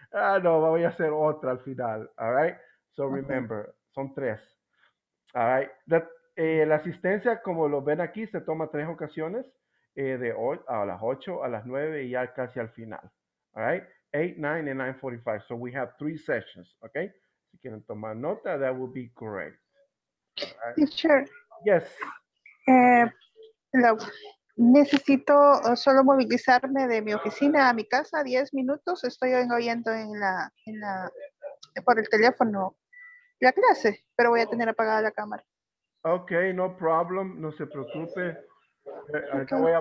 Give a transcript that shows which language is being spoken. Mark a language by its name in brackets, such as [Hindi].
[Spanish] Ah, no, voy a hacer otra al final, all right? So remember, son tres, all right? La asistencia, como lo ven aquí, se toma tres ocasiones, de hoy a las 8, a las 9 y ya casi al final, all right? [English] 8, 9 and 9:45, so we have three sessions, ok. [Spanish] Si quieren tomar nota, [English] that would be great. Teacher. Yes. [Spanish] Necesito solo movilizarme de mi oficina a mi casa 10 minutos. Estoy oyendo en la por el teléfono la clase, pero voy a tener apagada la cámara. Okay, no problem, no se preocupe. Okay.